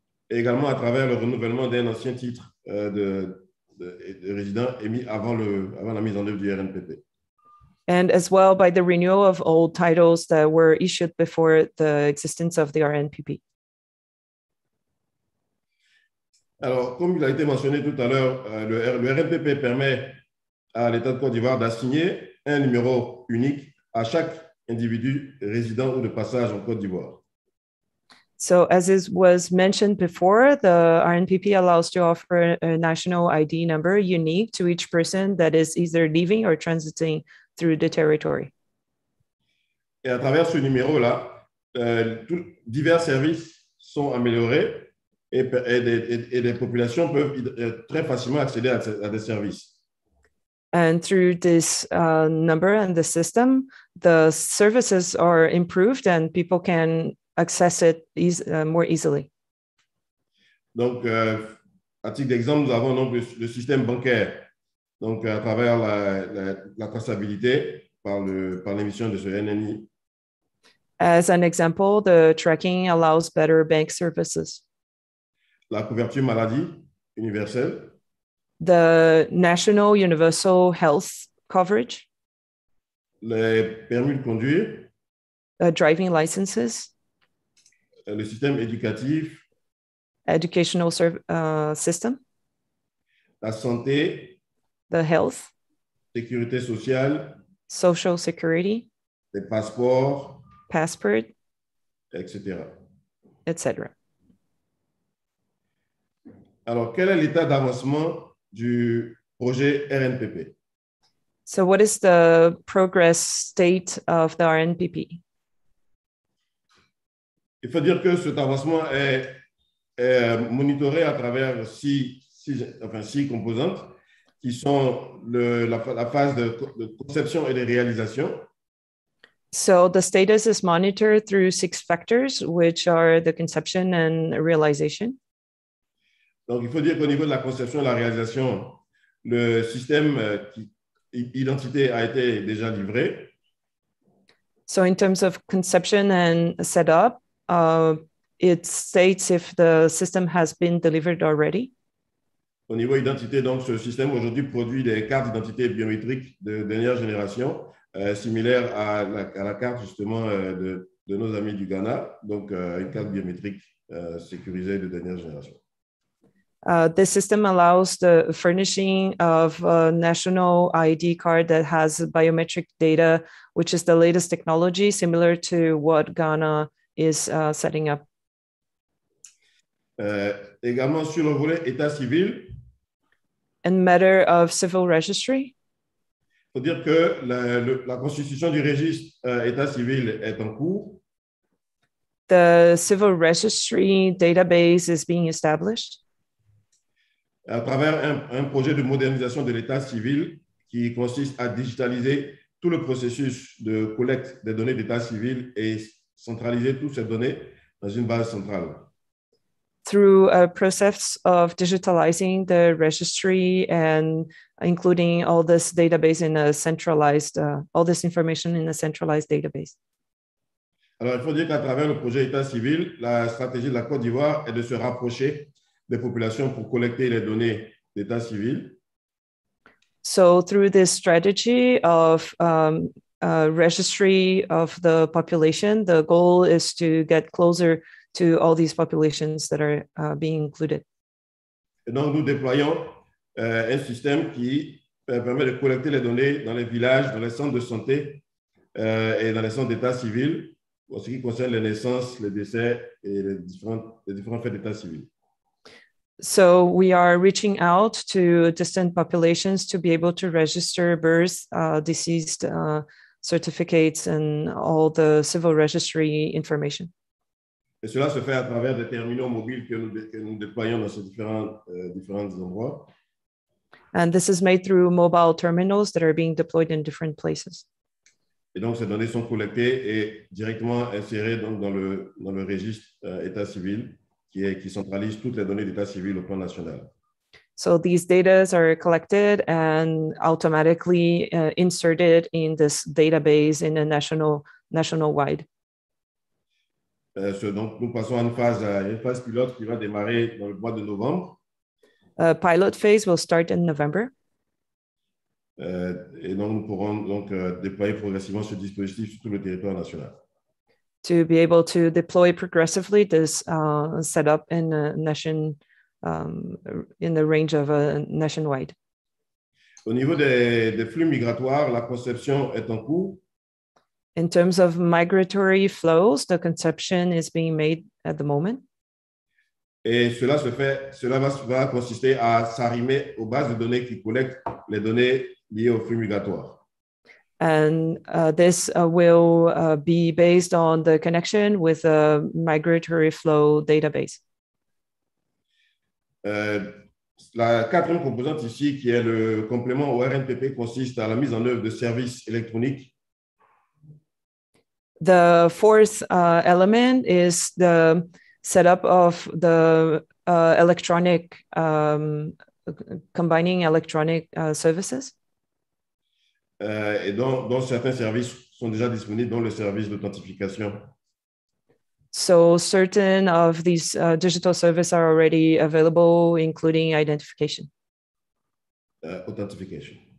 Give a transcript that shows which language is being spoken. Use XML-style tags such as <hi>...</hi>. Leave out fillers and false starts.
<fr>Et également à travers le renouvellement d'un ancien titre de résident émis avant la mise en œuvre du RNPP.</fr> <en>And as well by the renewal of old titles that were issued before the existence of the RNPP.</en> <fr>Alors, comme il a été mentionné tout à l'heure, le RNPP permet à l'État de Côte d'Ivoire d'assigner un numéro unique à chaque individu résident ou de passage en Côte d'Ivoire.</fr> <en>So as it was mentioned before, the RNPP allows to offer a national ID number unique to each person that is either leaving or transiting through the territory.</en> <fr>Et à travers ce numéro-là, divers services sont améliorés et les populations peuvent très facilement accéder à des services.</fr> <en>And through this number and the system, the services are improved and people can access it more easily.</en> <fr>Donc, à titre d'exemple, nous avons donc le système bancaire, donc à travers la traçabilité par l'émission de ce NNI.</fr> <en>As an example, the tracking allows better bank services.</en> <fr>La couverture maladie universelle.</fr> <en>The national universal health coverage.</en> <fr>Les permis de conduire.</fr> <en>Driving licenses.</en> <fr>Le système éducatif.</fr> <en>Educational system.</en> <fr>La santé.</fr> <en>The health.</en> <fr>Sécurité sociale.</fr> <en>Social security.</en> <fr>Les passeports.</fr> <en>Passport.</en> <fr>Etc.</fr> <en>Etc.</en> <fr>Alors, quel est l'état d'avancement du projet RNPP?</fr> <en>So, what is the progress state of the RNPP?</en> <fr>Il faut dire que cet avancement est monitoré à travers six composantes qui sont la phase de conception et de réalisation.</fr> <en>So the status is monitored through six factors, which are the conception and realization.</en> <fr>Donc il faut dire qu'au niveau de la conception et la réalisation, le système d'identité a été déjà livré.</fr> <en>So in terms of conception and setup, it states if the system has been delivered already.</en> <fr>Au niveau identité, donc, ce système aujourd'hui produit des cartes d'identité biométriques de dernière génération, similaires à la carte justement de nos amis du Ghana, donc une carte biométrique sécurisée de dernière génération.</fr> <en>The system allows the furnishing of a national ID card that has biometric data, which is the latest technology similar to what Ghana is setting up.</en> <fr>Également sur le volet état civil.</fr> <en>In matter of civil registry.</en> <fr>Il faut dire que la constitution du registre état civil est en cours.</fr> <en>The civil registry database is being established.</en> <fr>À travers un projet de modernisation de l'état civil qui consiste à digitaliser tout le processus de collecte des données d'état civil et centraliser toutes ces données dans une base centrale.</fr> <en>Through a process of digitalizing the registry and including all this database in a centralized, all this information in a centralized database.</en> <fr>Alors, il faut dire qu'à travers le projet État civil, la stratégie de la Côte d'Ivoire est de se rapprocher des populations pour collecter les données d'État civil.</fr> <en>So, through this strategy of registry of the population, the goal is to get closer to all these populations that are being included.</en> <fr>Et donc, nous déployons un système qui permet de collecter les données dans les villages, dans les centres de santé et dans les centres d'État civil. En ce qui concerne les naissances, les décès et les différents faits d'état civil.</fr> <en>So we are reaching out to distant populations to be able to register births, deceased certificates and all the civil registry information.</en> <fr>Et cela se fait à travers des terminaux mobiles que nous déployons dans ces différents endroits.</fr> <en>And this is made through mobile terminals that are being deployed in different places.</en> <fr>Et donc, ces données sont collectées et directement insérées donc dans le registre État civil qui centralise toutes les données d'État civil au plan national.</fr> <en>So these data are collected and automatically inserted in this database in a national wide.</en> <fr>Donc, nous passons à une phase pilote qui va démarrer dans le mois de novembre.</fr> <en>A pilot phase will start in November.</en> <fr>Et donc nous pourrons donc déployer progressivement ce dispositif sur tout le territoire national.</fr> <en>To be able to deploy progressively this setup in a nation, in the range of a nationwide.</en> <fr>Au niveau des flux migratoires, la conception est en cours.</fr> <en>In terms of migratory flows, the conception is being made at the moment.</en> <fr>Et cela va consister à s'arrimer aux bases de données qui collectent les données liées aux flux migratoires.</fr> <en>And this will be based on the connection with a migratory flow database.</en> <fr>La quatrième composante ici, qui est le complément au RNPP, consiste à la mise en œuvre de services électroniques.</fr> <en>The fourth element is the setup of the electronic, combining electronic services.</en> <fr>Et dont certains services sont déjà disponibles, dont le service d'authentification.</fr> <en>So certain of these digital services are already available, including identification.</en> <fr>Authentification.</fr>